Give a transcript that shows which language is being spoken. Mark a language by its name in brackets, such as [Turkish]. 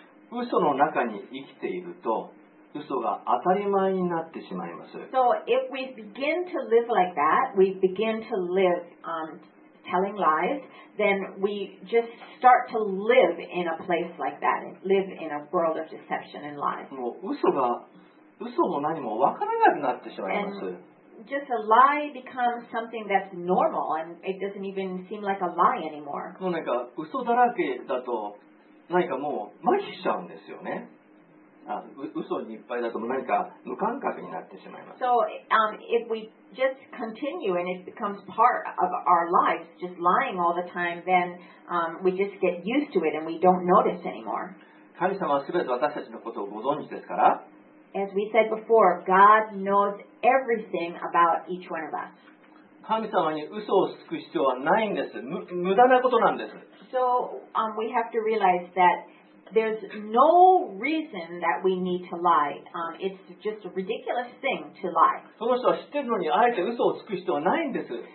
[Japanese] 嘘の中に生きていると嘘が当たり前になってしまいます。 [English] So if we begin to live like that, we begin to live telling lies, then we just start to live in a place like that, live in a world of deception and lies. [Japanese] もう嘘が嘘も何もわからなくなってしまいます。 [English] Just a lie becomes something that's normal and it doesn't even seem like a lie anymore. [Japanese] もうなんか嘘だらけだと何かもう麻痺しちゃうんですよね。嘘にいっぱいだともう何か無感覚になってしまいます。 [English] So, if we just continue and it becomes part of our lives, just lying all the time, then, we just get used to it and we don't notice anymore. [Japanese] 神様はすべて私たちのことをご存知ですから。 [English] As we said before, God knows everything about each one of us. [Japanese] 神様に嘘をつく必要はないんです。無駄なことなんです。 [English] So, we have to realize that there's no reason that we need to lie. It's just a ridiculous thing to lie. [Japanese] その人は知ってるのにあえて嘘をつく必要はないんです。